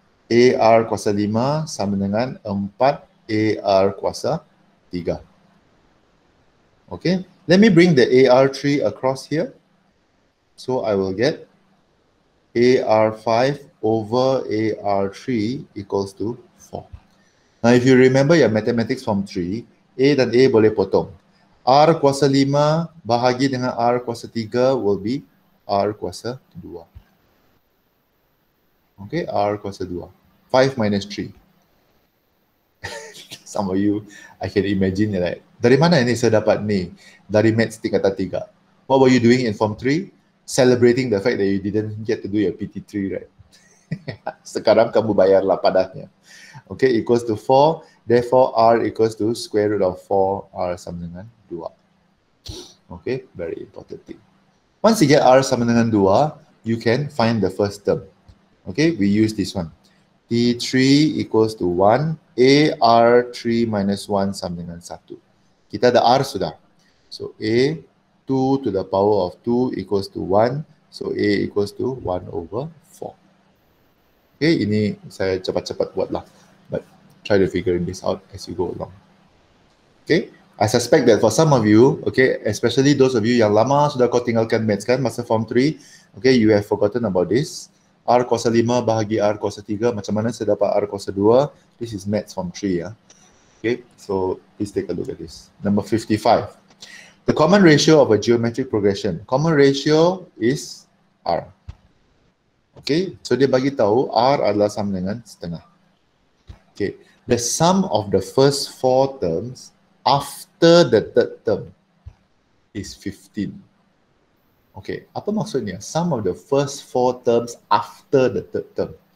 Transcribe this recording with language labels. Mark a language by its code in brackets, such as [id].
[ms] AR kuasa 5 sama dengan 4 AR kuasa 3. [en] Okay, let me bring the AR 3 across here. So I will get AR 5 over AR 3 equals to 4. Now if you remember your mathematics from 3, [ms] A dan A boleh potong. R kuasa 5 bahagi dengan R kuasa 3 [en] will be [ms] R kuasa 2. Okay, R kuasa 2. 5 minus 3. [en] Some of you, I can imagine like, [ms] dari mana ini saya dapat ni? Dari maths tingkat 3. [en] What were you doing in form 3? Celebrating the fact that you didn't get to do your PT3, right? [ms] Sekarang kamu bayar lah padahnya. [en] Okay, equals to 4. Therefore, R equals to square root of 4 R sama dengan 2. Okay, very important thing. Once you get R sama dengan 2, you can find the first term. Okay, we use this one. T3 equals to 1, AR3 minus 1 sama dengan 1. [ms] Kita ada R sudah. [en] So, A, 2 to the power of 2 equals to 1. So, A equals to 1 over 4. Okay, [ms] ini saya cepat-cepat buat lah. [en] But try to figure this out as you go along. Okay, I suspect that for some of you, okay, especially those of you [ms] yang lama sudah kau tinggalkan maths kan, masa form 3, [en] okay, you have forgotten about this. [ms] R kuasa 5 bahagi R kuasa 3, macam mana saya dapat R kuasa 2? [en] This is maths form 3, ya. Okay, so please take a look at this. Number 55. The common ratio of a geometric progression. Common ratio is R. [ms] Okay, so dia bagi tahu R adalah sama dengan setengah. [en] Okay, the sum of the first 4 terms after the third term is 15. Okay, [ms] apa maksudnya? [en] Sum of the first 4 terms after the third term.